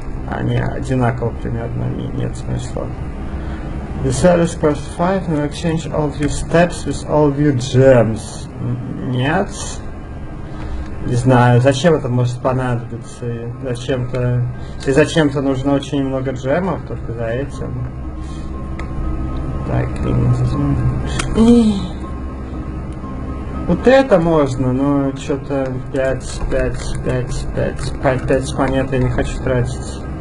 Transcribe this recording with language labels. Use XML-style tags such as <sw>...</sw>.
<ru>Они одинаково примерно, нет смысла.</ru> <en>The service cost 5 and exchange all of your steps with all of your gems.</en> <ru>Нет. Не знаю, зачем это может понадобиться. Зачем-то. Если зачем-то нужно очень много джемов, только за этим. Так, и... Вот это можно, но что-то 5 монет я не хочу тратить.</ru>